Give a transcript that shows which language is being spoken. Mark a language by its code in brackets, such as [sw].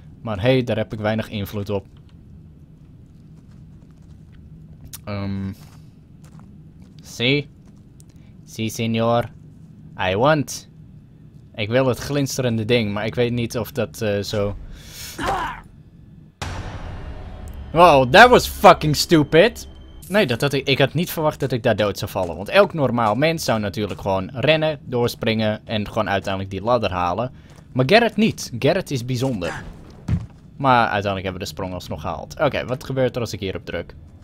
[nl] Maar hé, daar heb ik weinig invloed op. Zie, [en] senor. I want. [nl] Ik wil het glinsterende ding, maar ik weet niet of dat zo... [en] Wow, that was fucking stupid. [nl] Nee, ik had niet verwacht dat ik daar dood zou vallen. Want elk normaal mens zou natuurlijk gewoon rennen, doorspringen en gewoon uiteindelijk die ladder halen. Maar Garrett niet. Garrett is bijzonder. Maar uiteindelijk hebben we de sprong alsnog gehaald. Oké, wat gebeurt er als ik hierop druk?